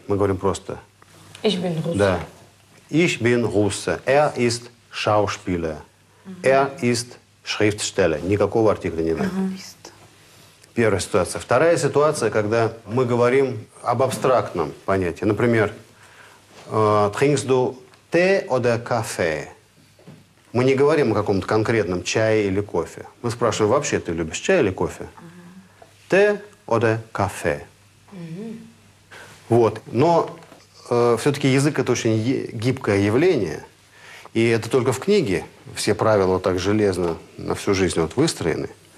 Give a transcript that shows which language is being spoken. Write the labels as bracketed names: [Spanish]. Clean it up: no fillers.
[Russian] Мы говорим просто [German] «Ich bin Russe». [Russian] Да. [German] «Ich bin Russe». «Er ist Schauspieler». «Er ist Schriftsteller». [Russian] Никакого артикля не надо. Первая ситуация. Вторая ситуация, когда мы говорим об абстрактном понятии. Например, [German] «Trinkst du Tee oder Kaffee?» [Russian] Мы не говорим о каком-то конкретном чае или кофе. Мы спрашиваем, вообще ты любишь чай или кофе? [German] «Tee oder Kaffee?» [Russian] Вот. Но все-таки язык – это очень гибкое явление. И это только в книге. Все правила так железно на всю жизнь вот выстроены.